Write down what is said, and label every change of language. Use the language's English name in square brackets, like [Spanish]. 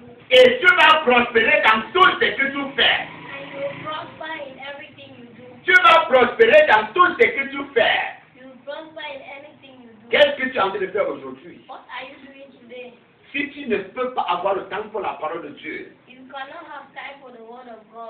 [French] Et tu vas prospérer dans tout ce que tu fais. [English] And you will prosper in everything you do. [French] Tu vas prosperer dans tout ce que tu fais. [English] You will prosper in anything you do. [French] Qu'est-ce que tu es en train de faire aujourd'hui? [English] What are you doing today? [French] si tu ne peux pas avoir le temps pour la parole de Dieu, [English] you cannot have time for the word of God.